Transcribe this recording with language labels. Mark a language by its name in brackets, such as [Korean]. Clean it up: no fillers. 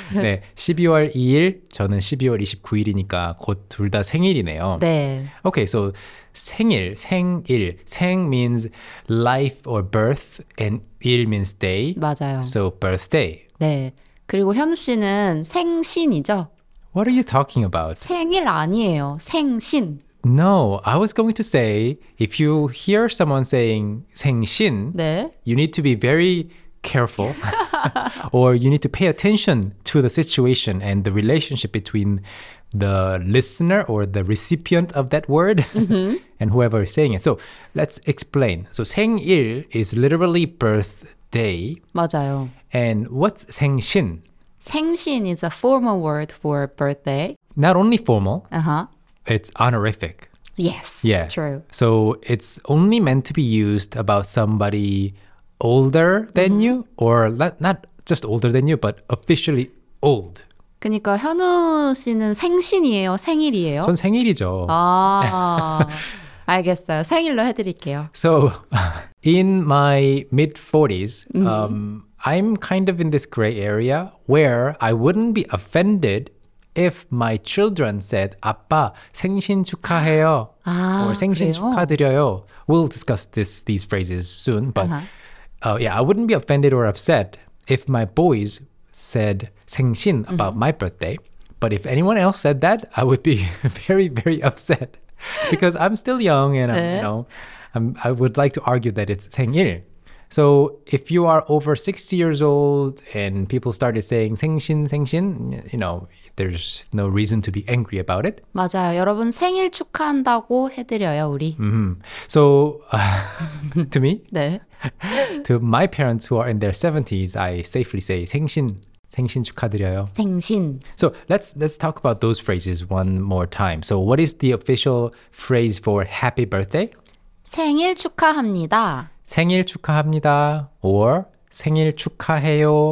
[Korean] 네, 12월 2일, 저는 12월 29일이니까 곧 둘 다 생일이네요. 네. [English] Okay, so 생일, 생일. 생 means life or birth, and 일 means day. [Korean] 맞아요. [English] So birthday. [Korean] 네, 그리고 현우 씨는 생신이죠? [English] What are you talking about? [Korean] 생일 아니에요, 생신. [English] No, I was going to say, if you hear someone saying 생신, [Korean] 네. [English] You need to be very careful or you need to pay attention to the situation and the relationship between the listener or the recipient of that word mm-hmm. and whoever is saying it. So let's explain. So 생일 is literally birthday. 맞아요. And what's 생신? 생신 is a formal word for birthday. Not only formal. Uh-huh. It's honorific. Yes, yeah. True. So it's only meant to be used about somebody older than mm-hmm. you, or not just older than you, but officially old. [Korean] 그러니까 현우 씨는 생신이에요, 생일이에요? 전 생일이죠. 아, 알겠어요. 생일로 해드릴게요. [English] So in my mid-40s, mm-hmm. I'm kind of in this gray area where I wouldn't be offended if my children said, [Korean] 아빠, 생신 축하해요. 아, [English] or 생신 [Korean] 축하드려요. [English] We'll discuss these phrases soon. But uh-huh. Yeah, I wouldn't be offended or upset if my boys said 생신 about mm-hmm. my birthday. But if anyone else said that, I would be very, very upset. Because I'm still young and I would like to argue that it's 생일. So if you are over 60 years old and people started saying 생신, 생신, you know, there's no reason to be angry about it. [Korean] 맞아요. 여러분 생일 축하한다고 해드려요, 우리. [English] Mm-hmm. So to me, [Korean] 네. [English] to my parents who are in their 70s, I safely say [Korean] 생신, 생신 축하드려요. 생신. [English] So let's talk about those phrases one more time. So what is the official phrase for happy birthday? [Korean] 생일 축하합니다. 생일 축하합니다 or 생일 축하해요.